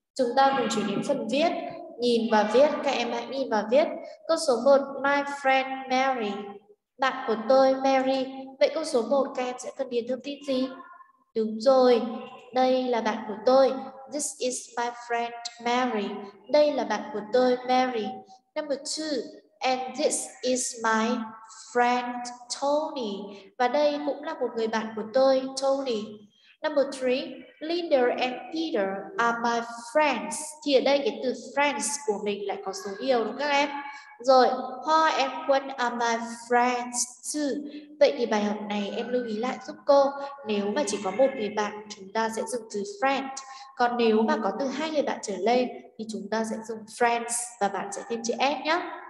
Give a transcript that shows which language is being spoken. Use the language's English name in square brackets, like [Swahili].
[Vietnamese] Chúng ta cùng chuyển đến phần viết, nhìn và viết. Các em hãy nhìn và viết. Câu số 1, my friend Mary. Bạn của tôi Mary. Vậy câu số 1 các em sẽ cần điền thông tin gì? Đúng rồi, đây là bạn của tôi. [English] This is my friend Mary. [Vietnamese] Đây là bạn của tôi Mary. [English] Number 2, and this is my friend Tony. [Vietnamese] Và đây cũng là một người bạn của tôi Tony. [English] Number 3, Linda and Peter are my friends. [Vietnamese] Thì ở đây cái từ friends của mình lại có số hiệu đúng không các em? [English] Rồi, Hoa and Quân are my friends too. [Vietnamese] Vậy thì bài học này em lưu ý lại giúp cô. Nếu mà chỉ có một người bạn, chúng ta sẽ dùng từ friend. Còn nếu mà có từ hai người bạn trở lên, thì chúng ta sẽ dùng friends và bạn sẽ thêm chữ S nhé.